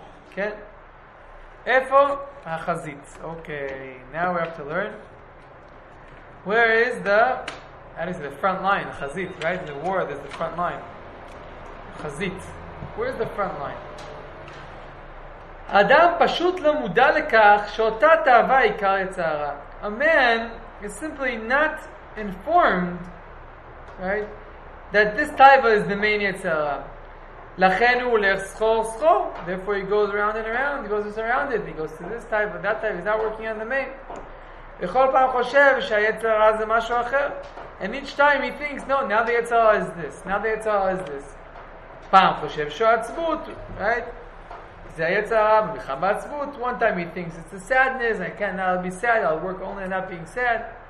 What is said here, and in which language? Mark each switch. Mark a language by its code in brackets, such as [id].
[en] Okay? [he] Efo hachazit. [en] Okay. Now we have to learn. Where is the... That is the front line. Chazit, right? In the war, there's the front line. Chazit. Where is the front line? [he] אדם פשוט לא מודע לכך שאותה תאווה עיקר יצרה. [en] A man is simply not informed, right, that this taiva is the main yetzara. [he] לכן הוא הולך סחור סחור. [en] Therefore he goes around and around. He goes around it. He goes to this taiva, that taiva. He's not working on the main. [he] וכל פעם חושב שהיצרה זה משהו אחר. [en] And each time he thinks, no, now the yetzara is this. Now the yetzara is this. [he] פעם חושב שעצבות, right? [en] One time he thinks it's a sadness, I can't not be sad, I'll work only on not being sad.